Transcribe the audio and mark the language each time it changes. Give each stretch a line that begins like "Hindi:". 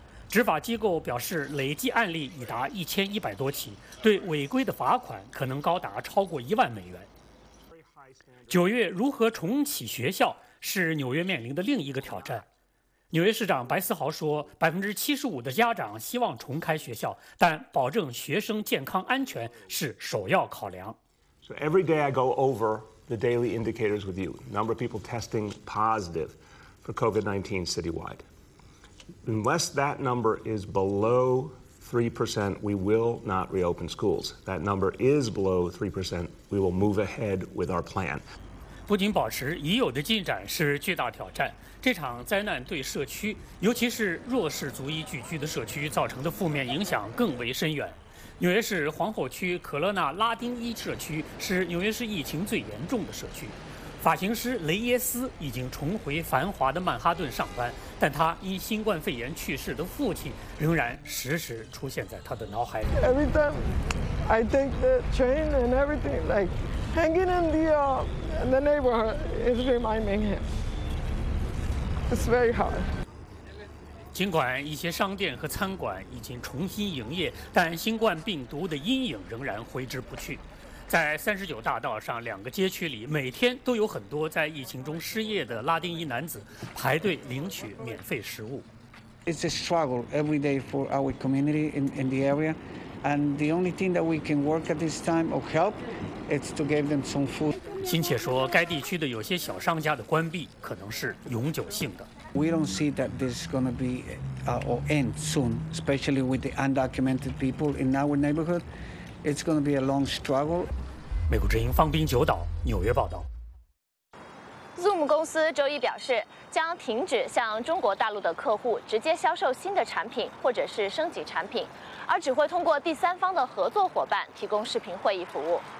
Chinese: 执法机构表示，累计案例已达1100多起，对违规的罚款可能高达超过$10,000。九月如何重启学校是纽约面临的另一个挑战。纽约市长白思豪说，75%的家长希望重开学校，但保证学生健康安全是首要考量。
English: So every day I go over the daily indicators with you, number of people testing positive for COVID-19 citywide. Unless that number is below 3%, we will not reopen schools. That number is below 3%, we will move ahead with our plan.
Chinese: 不仅保持已有的进展是巨大挑战，这场灾难对社区，尤其是弱势族裔聚居的社区造成的负面影响更为深远。纽约市皇后区可勒纳拉丁一社区是纽约市疫情最严重的社区。发型师雷耶斯已经重回繁华的曼哈顿上班，但他因新冠肺炎去世的父亲仍然时时出现在他的脑海里。
English: Every time I take the train and everything, like hanging in the neighborhood is reminding him. It's very hard.
Chinese: 尽管一些商店和餐馆已经重新营业，但新冠病毒的阴影仍然挥之不去。在39大道上两个街区里，每天都有很多在疫情中失业的拉丁裔男子排队领取免费食物。
English: It's a struggle every day for our community in the area, and the only thing that we can work at this time or help is to give them some food.
Chinese: 亲切说，该地区的有些小商家的关闭可能是永久性的。
English: We don't see that this is going to be or end soon, especially with the undocumented people in our neighborhood. It's going to be a long struggle.
Chinese: 美国之音方冰九岛纽约报道。 Zoom 公司周一表示，将停止向中国大陆的客户直接销售新的产品或者是升级产品，而只会通过第三方的合作伙伴提供视频会议服务。